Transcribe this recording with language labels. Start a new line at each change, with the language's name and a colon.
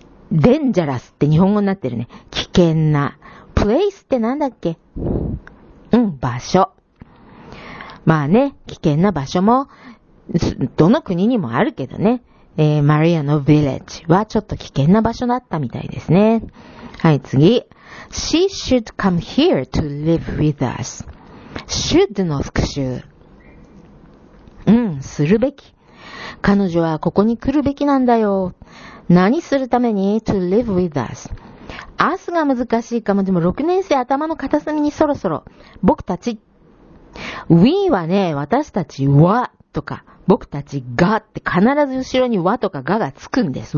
Japanese: デンジャラスって日本語になってるね。危険な。プレイスってなんだっけ?うん、場所。まあね、危険な場所も、どの国にもあるけどね。マリアのヴィレッジはちょっと危険な場所だったみたいですね。はい、次。
English: She should come here to live with us.
Japanese: Should の復習。うん、するべき。彼女はここに来るべきなんだよ。何するために ? to live with us. us が難しいかも。でも6年生頭の片隅にそろそろ。僕たち。 we はね、私たちはとか、僕たちがって必ず後ろにはとかががつくんです。